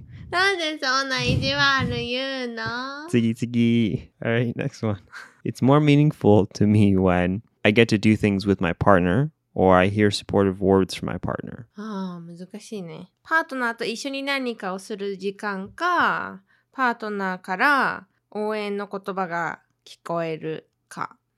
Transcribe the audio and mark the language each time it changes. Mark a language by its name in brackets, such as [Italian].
[Japanese] なんでそんな意地悪言うの？次。 [English] All right, next one. It's more meaningful to me when I get to do things with my partner. Or I hear supportive words from my partner. [Japanese] ああ、難しいね。パートナーと一緒に何かをする時間か、パートナーから応援の言葉が聞こえるか。